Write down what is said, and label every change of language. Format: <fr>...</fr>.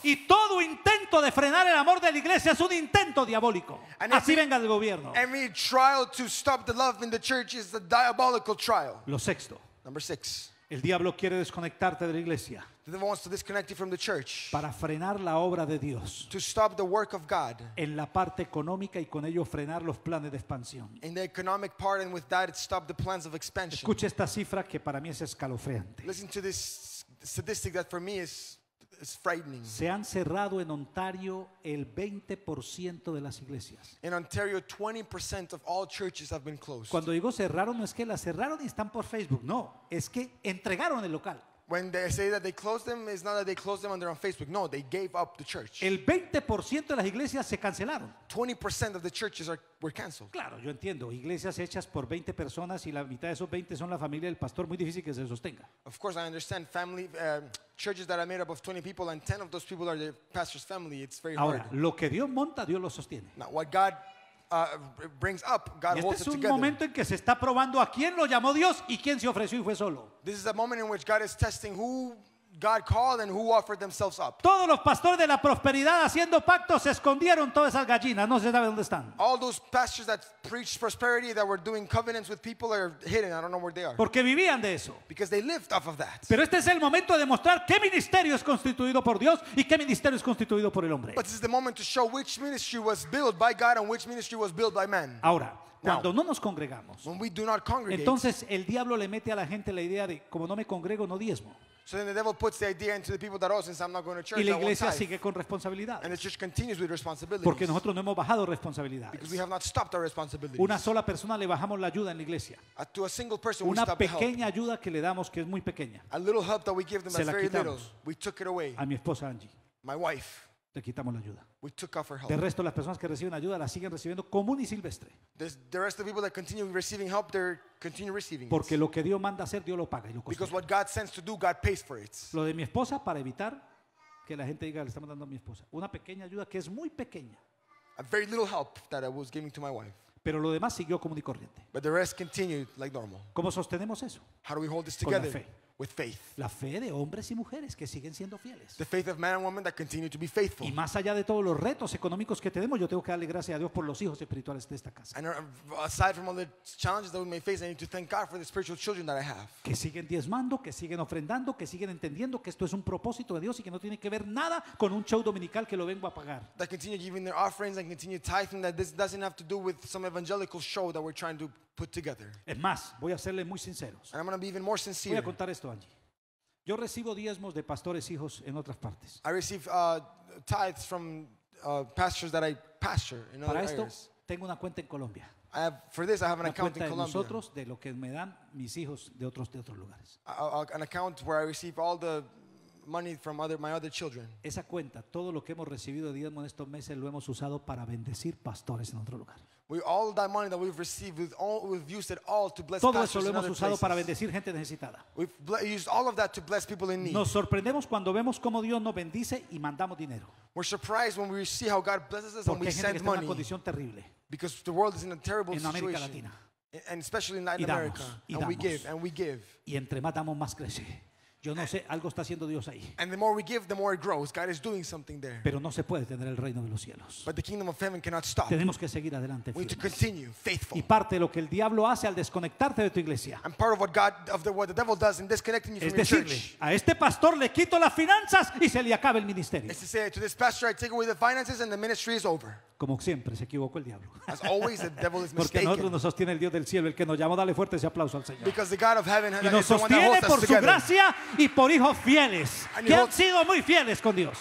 <es>Y todo intento de frenar el amor de la iglesia es un intento diabólico.</es> <en>And</en> <es>así venga del gobierno.</es> <en>Every trial to stop the love in the church is a diabolical trial.</en> <es>Lo sexto.</es> <en>Number six.</en> <es>El diablo quiere desconectarte de la iglesia.</es> <en>The devil wants to disconnect you from the church.</en> <es>Para frenar la obra de Dios.</es> <en>To stop the work of God.</en> <es>En la parte económica y con ello frenar los planes de expansión.</es> <en>In the economic part and with that it stop the plans of expansion.</en> <es>Escucha esta cifra que para mí es escalofriante.</es> <en>Listen to this statistic that for me is frightening.</en> <es>Se han cerrado en Ontario el 20% de las iglesias.</es> <en>In Ontario, 20% of all churches have been closed.</en> <es>Cuando digo cerraron, no es que las cerraron y están por Facebook. No, es que entregaron el local.</es> <en>When they say that they closed them, it's not that they closed them and they're on Facebook. No, they gave up the church.</en> <es>El 20% de las iglesias se cancelaron.</es> <en>20% of the churches were canceled.</en> <es>Claro, yo entiendo. Iglesias hechas por 20 personas y la mitad de esos 20 son la familia del pastor. Muy difícil que se sostenga.</es> <en>Of course, I understand. Family churches that are made up of 20 people and 10 of those people are the pastor's family. It's very</en> <es>ahora,</es> <en>hard.</en> <es>Ahora, lo que Dios monta, Dios lo sostiene.</es> <en>Now, what God brings up, God holds it together.</en> <es>Este es un momento en que se está probando a quién lo llamó Dios y quién se ofreció y fue solo.</es> <en>This is a moment in which God is testing who God called and who offered themselves up.</en> <es>Todos los pastores de la prosperidad haciendo pactos se escondieron todas esas gallinas, no se sabe dónde están.</es> <en>All those pastors that preached prosperity that were doing covenants with people are hidden. I don't know where they are.</en> <es>Porque vivían de eso.</es> <en>Because they lived off of that.</en> <es>Pero este es el momento de demostrar qué ministerio es constituido por Dios y qué ministerio es constituido por el hombre.</es> <en>But this is the moment to show which ministry was built by God and which ministry was built by man.</en> <es>Ahora, cuando no nos congregamos,</es> <en>when we do not congregate,</en> <es>entonces el diablo le mete a la gente la idea de como no me congrego no diezmo.</es> <en>So then the devil puts the idea into the people that, oh, since I'm not going to church,</en> <es>y la iglesia sigue con responsabilidades.</es> <en>And the church continues with responsibilities.</en> <es>Porque nosotros no hemos bajado responsabilidades.</es> <en>Because we have not stopped our responsibilities.</en> <es>Una sola persona le bajamos la ayuda en la iglesia.</es> <en>To a single person,</en> <es>una</es> <en>we stop</en> <es>pequeña</es> <en>help.</en> <es>Ayuda que le damos que es muy pequeña.</es> <en>A little help that we give them</en> <es>se la</es> <en>is very</en> <es>quitamos.</es> <en>Little. We took it away.</en> <es>A mi esposa Angie.</es> <en>My wife.</en> <es>Le quitamos la ayuda.</es> <en>We took off her help.</en> <es>De resto las personas que reciben ayuda la siguen recibiendo común y silvestre.</es> <en>The rest of the people that continue receiving help, they're continue receiving.</en> <es>Porque lo que Dios manda hacer Dios lo paga y lo costea.</es> <en>Because what God sends to do, God pays for it.</en> <es>Lo de mi esposa para evitar que la gente diga le estamos dando a mi esposa una pequeña ayuda que es muy pequeña.</es> <en>A very little help that I was giving to my wife.</en> <es>Pero lo demás siguió común y corriente.</es> <en>But the rest continued like normal.</en> <es>¿Cómo sostenemos eso?</es> <en>How do we hold this together?</en> <es>Con la fe.</es> <en>with faith.</en> <es>La fe de hombres y mujeres que siguen siendo fieles.</es> <en>The faith of men and women that continue to be faithful.</en> <es>Y más allá de todos los retos económicos que tenemos, yo tengo que darle gracias a Dios por los hijos espirituales de esta casa.</es> <en>And aside from all the challenges that we may face, I need to thank God for the spiritual children that I have.</en> <es>Que siguen diezmando, que siguen ofrendando, que siguen entendiendo que esto es un propósito de Dios y que no tiene que ver nada con un show dominical que lo vengo a pagar.</es> <en>That continue giving their offerings and continue tithing, that this doesn't have to do with some evangelical show that we're trying to put together.</en> <es>Es más, voy a serle muy sinceros.</es> <en>And I'm going to be even more sincere.</en> <es>Voy a contar esto, Angie. Yo recibo diezmos de pastores hijos en otras partes.</es> <en>I receive tithes from pastors that I pastor in other areas.</en> <es>Para esto tengo una cuenta en Colombia.</es> <en>I have an account in Colombia.</en> <es>Nosotros de lo que me dan mis hijos de otros lugares.</es> <en>An account where I receive all the money from my other children.</en> <es>Esa cuenta, todo lo que hemos recibido de diezmos en estos meses lo hemos usado para bendecir pastores en otro lugar.</es> <en>All that money that we've received, we've used it all to bless pastors in other places.</en> <es>Todo eso lo hemos usado para bendecir gente necesitada.</es> <en>We've used all of that to bless people in need.</en> <es>Nos sorprendemos cuando vemos cómo Dios nos bendice y mandamos dinero.</es> <en>We're surprised when we see how God blesses us and we send money.</en> <es>Porque hay gente que está en una condición terrible.</es> <en>Because the world is in a terrible situation.</en> <es>En América Latina.</es> <en>And especially in Latin America.</en> <es>Y damos.</es> <en>We give.</en> <es>Y entre más damos, más crece. Yo no sé, algo está haciendo Dios ahí.</es> <en>And the more we give, the more it grows. God is doing something there.</en> <es>Pero no se puede tener el reino de los cielos.</es> <en>But the kingdom of heaven cannot stop.</en> <es>Tenemos que seguir adelante.</es> <en>We need to continue faithful.</en> <es>Y parte de lo que el diablo hace al desconectarte de tu iglesia.</es> <en>And part of what the devil does in disconnecting you from your church.</en> <es>Es decir, a este pastor le quito las finanzas y se le acaba el ministerio.</es> <en>It's to say, to this pastor I take away the finances and the ministry is over.</en> <es>Como siempre, se equivocó el diablo.</es> <en>As always, the devil is mistaken.</en> <es>Porque nosotros nos sostiene el Dios del cielo, el que nos llamó. Dale fuerte ese aplauso al Señor.</es> <en>Because the God of heaven</en> <es>y nos sostiene por su gracia y por hijos fieles que han sido muy fieles con Dios.</es>